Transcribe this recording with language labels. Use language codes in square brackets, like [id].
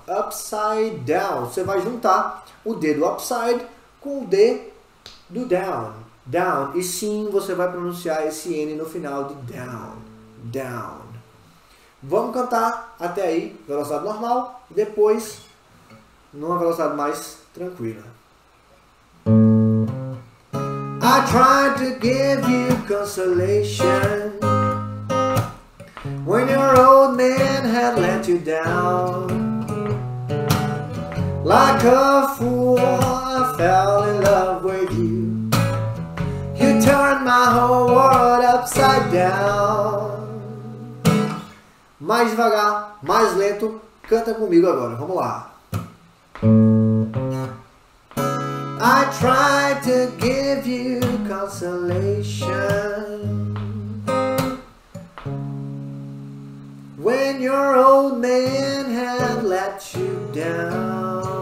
[pt] Upside down. Você vai juntar o D do upside com o D do down. Down. E sim, você vai pronunciar esse N no final de down. Down. Vamos cantar até aí, velocidade normal, depois numa velocidade mais tranquila. [en] I try to give you consolation when your old man had let you down. Like a fool, I fell in love with you. You turned my whole world upside down. [pt] Mais devagar, mais lento, canta comigo agora. Vamos lá. [en] I try to give you consolation when your old man had let you down.